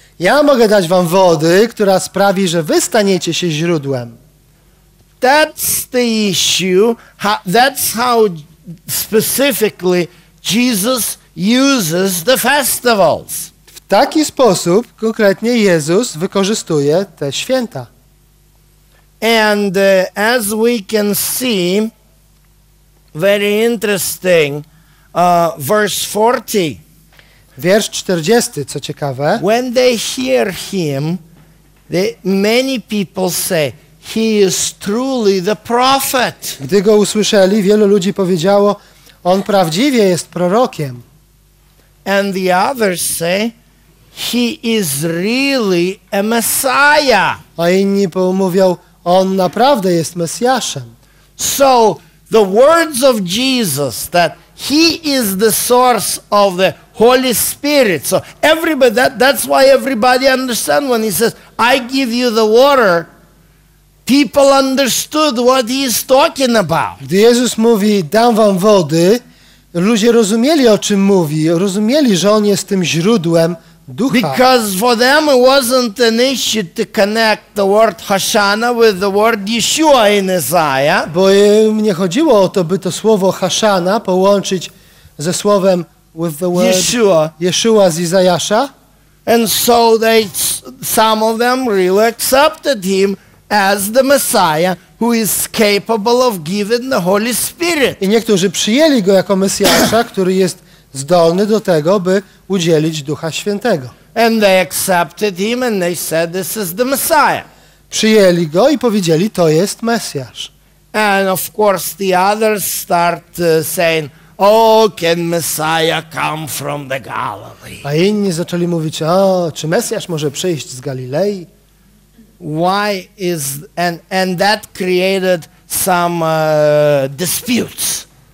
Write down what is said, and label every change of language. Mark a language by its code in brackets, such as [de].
[pl] Ja mogę dać wam wody, która sprawi, że wy staniecie się źródłem. [en] That's the issue. That's how specifically Jesus uses the festivals. [pl] W taki sposób konkretnie Jezus wykorzystuje te święta. [en] And as we can see, very interesting, verse 40. [pl] Wiersz 40, co ciekawe. [en] When they hear him, many people say, he is truly the prophet. [pl] Gdy go usłyszeli, wielu ludzi powiedziało, on prawdziwie jest prorokiem. [en] And the others say, he is really a messiah. [pl] A inni mówią, on naprawdę jest Mesjaszem. [en] So the words of Jesus that he is the source of the Holy Spirit. So everybody, that's why everybody understand when he says, I give you the water. People understood what he is talking about. [pl] Gdy Jezus mówi, dam wam wody, ludzie rozumieli, o czym mówi. Rozumieli, że on jest tym źródłem Ducha. [en] Because for them it wasn't an issue to connect the word Hoshana with the word Yeshua in Isaiah. [pl] Bo im nie chodziło o to, by to słowo Hoshana połączyć ze słowem [en] with the word Yeshua. [pl] Yeshua z Izajasza. [en] And so some of them really accepted him as the Messiah who is capable of giving the Holy Spirit. [pl] I niektórzy przyjęli go jako Mesjasza, który jest zdolny do tego, by udzielić Ducha Świętego. [en] And they accepted him and they said this is the Messiah. [pl] Przyjęli go i powiedzieli, to jest Mesjasz. [en] And of course the others start saying, oh, can Messiah come from the Galilee? [pl] A inni zaczęli mówić, o, czy Mesjasz może przyjść z Galilei? [en] Why is and that created some disputes?